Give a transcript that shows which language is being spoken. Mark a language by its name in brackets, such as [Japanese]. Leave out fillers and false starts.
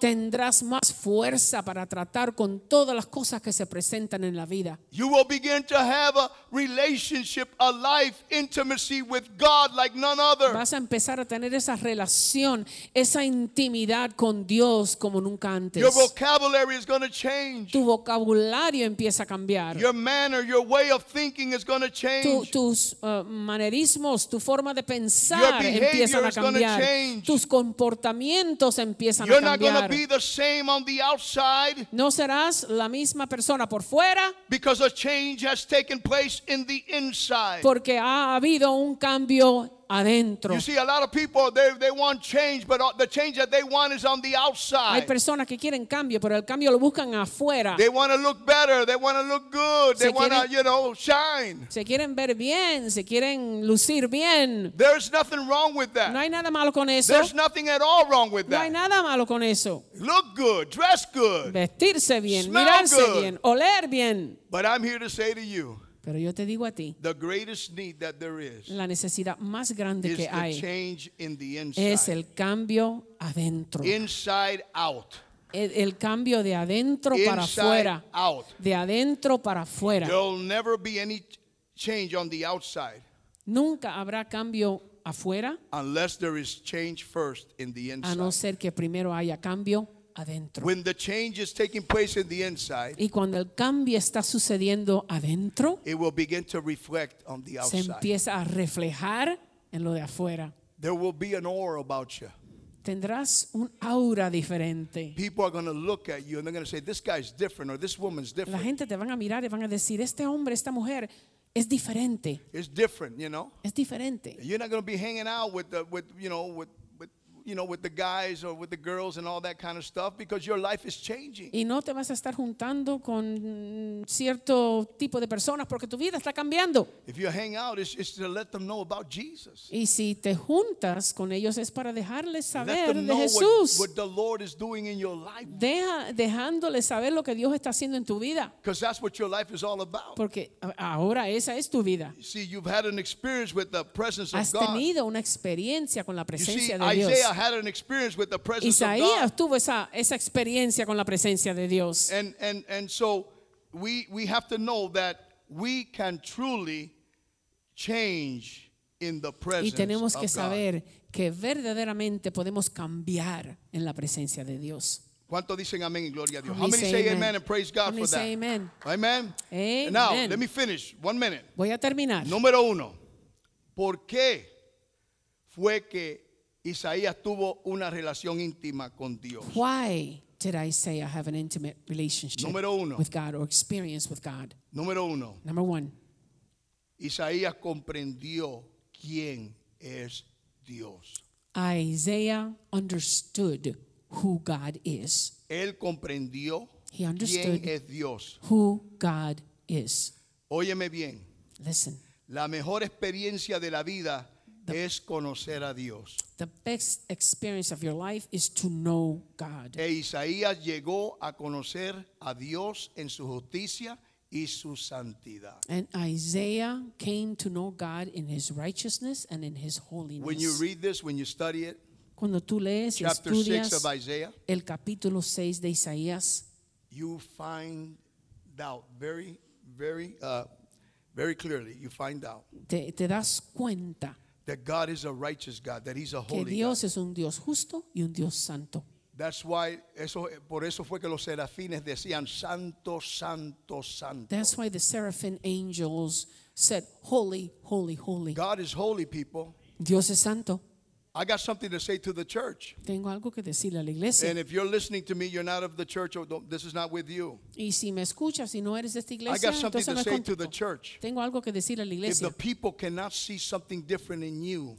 [Spanish] Tendrás más fuerza para tratar con todas las cosas que se presentan en la vida. [English] You will begin to have a relationship, a life intimacy with God like none other. [Spanish] Vas a empezar a tener esa relación, esa intimidad con Dios como nunca antes. [English] Your vocabulary is going to change. [Spanish] Tu vocabulario empieza a cambiar. [English] Your manner, your way of thinking is going to change. [Spanish] Tus manerismos, tu forma de pensar empiezan a cambiar. Tus comportamientos. [English] You're not going to be the same on the outside. [Spanish] No serás la misma persona por fuera. [English] Because a change has taken place in the inside. [Spanish] Porque ha habido un cambio adentro. [English] You see, a lot of people they want change, but the change that they want is on the outside. [Spanish] Hay personas que quieren cambio, pero el cambio lo buscan afuera. [English] They want to look better. They want to look good. They want to, you know, shine. [Spanish] Se quieren ver bien. Se quieren lucir bien. [English] There's nothing wrong with that. [Spanish] No hay nada malo con eso. [English] There's nothing at all wrong with that. [Spanish] No hay nada malo con eso. [English] Look good. Dress good. [Spanish] Vestirse bien. [English] Smell [Spanish] mirarse [English] good. [Spanish] Bien. Oler bien. [English] But I'm here to say to you. [Spanish] Pero yo te digo a ti, [English] the greatest need that there is, [Spanish] la necesidad más grande que hay, [English] is the change in the inside. [Spanish] Es el cambio adentro. [English] Inside out. [Spanish] El cambio de adentro [English] inside [Spanish] para afuera. [English] Out. [Spanish] De adentro para afuera. [English] There'll never be any change on the outside. [Spanish] Nunca habrá cambio afuera. [English] Unless there is change first in the inside. [Spanish] A no ser que primero haya cambio adentro. [English] When the change is taking place in the inside, [Spanish] y cuando el cambio está sucediendo adentro, [English] it will begin to reflect on the outside. [Spanish] Se empieza a reflejar en lo de afuera. [English] There will be an aura about you. [Spanish] Tendrás un aura diferente. [English] People are going to look at you and they're going to say, this guy's different or this woman's different. [Spanish] La gente te van a mirar y van a decir, este hombre, esta mujer es diferente. [English] It's different, you know. [Spanish] Es diferente. [English] You're not going to be hanging out with the guys or with the girls and all that kind of stuff because your life is changing. [Spanish] Y no te vas a estar juntando con cierto tipo de personas porque tu vida está cambiando. [English] If you hang out, it's to let them know about Jesus. [Spanish] Y si te juntas con ellos es para dejarles saber de Jesús. [English] What the Lord is doing in your life. [Spanish] Dejándoles saber lo que Dios está haciendo en tu vida. [English] Because that's what your life is all about. [Spanish] Porque ahora esa es tu vida. [English] You see, you've had an experience with the presence of God. [Spanish] Has tenido una experiencia con la presencia de Dios. [English] Isaiah had an experience with the presence [Spanish] Isaías [English] of God. [Spanish] Tuvo esa experiencia con la presencia de Dios. [English] And so we have to know that we can truly change in the presence of God. [Spanish] Y tenemos que saber que verdaderamente podemos cambiar en la presencia de Dios. ¿Cuánto dicen amén y gloria a Dios? [English] How many say amen and praise God for that? Amen. Amen. And now let me finish. 1 minute. [Spanish] Voy a terminar. Número uno. ¿Por qué fue que Isaías tuvo una relación íntima con Dios? [English] Why did Isaiah have an intimate relationship with God or experience with God? [Spanish] Número uno. [English] Number one. [Spanish] Isaías comprendió quién es Dios. [English] Isaiah understood who God is. [Spanish] Él comprendió [English] He understood [Spanish] quién es Dios. [English] Who God is. [Spanish] Óyeme bien. [English] Listen. [Spanish] La mejor experiencia de la vida es conocer a Dios. [English] The best experience of your life is to know God. [Spanish] E Isaías llegó a conocer a Dios en su justicia y su santidad. [English] And Isaiah came to know God in his righteousness and in his holiness. When you read this, when you study it, [Spanish] cuando tú lees, [English] chapter [Spanish] estudias [English] 6 of Isaiah, [Spanish] el capítulo 6 de Isaías, [English] you find out very, very, very clearly, you find out. [Spanish] Te das cuenta [English] that God is a righteous God, that He's a holy [Spanish] que Dios [English] God. [Spanish] Es un Dios justo y un Dios santo. [English] That's why [Spanish] eso, por eso fue que los serafines decían santo, santo, santo. [English] That's why the seraphim angels said holy, holy, holy. God is holy, people. [Spanish] Dios es santo. [English] I got something to say to the church. [Spanish] Tengo algo que decirle a la iglesia. [English] And if you're listening to me, you're not of the church, or don't, this is not with you. [Spanish] Y si me escuchas y no eres de esta iglesia, [English] I got something to say [Spanish] contigo. [English] To the church. [Spanish] Tengo algo que decirle a la iglesia. [English] If the people cannot see something different in you,